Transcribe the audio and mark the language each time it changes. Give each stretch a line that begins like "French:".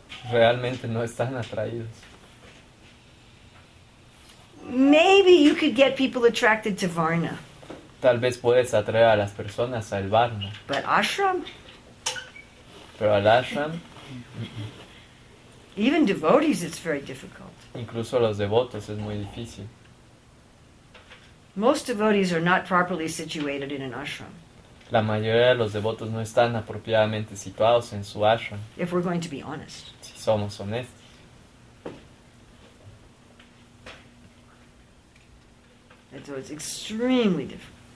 Spanish: Realmente no están atraídos.
English: Maybe you could get people attracted to Varna.
Spanish: Tal vez puedes atraer a las personas al Varna.
English: But ashram?
Spanish: Pero al ashram,
English: even devotees, it's very difficult.
Spanish: Incluso los devotos es muy difícil.
English: Most devotees are not properly situated in an ashram.
Spanish: La mayoría de los devotos no están apropiadamente situados en su ashram.
English: If we're going to be honest.
Spanish: Si somos honestos.
English: And so it's extremely difficult.